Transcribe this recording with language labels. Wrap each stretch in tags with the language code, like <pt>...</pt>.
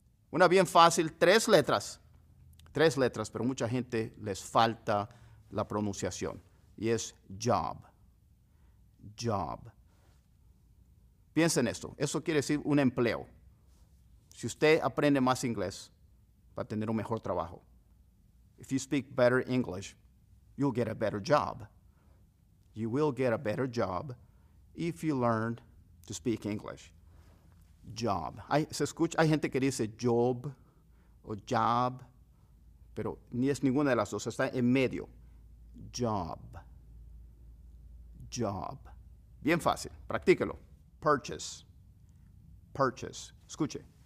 <es>Una bien fácil, tres letras, pero mucha gente les falta la pronunciación. Y es job, job. Piensen esto, eso quiere decir un empleo. Si usted aprende más inglés, va a tener un mejor trabajo.</es> <en>If you speak better English, you'll get a better job. You will get a better job if you learn to speak English. Job.</en> <es>Hay gente que dice job o job, pero ni es ninguna de las dos, está en medio. Job. Job. Bien fácil, practíquelo. Purchase. Purchase. Escuche.</es>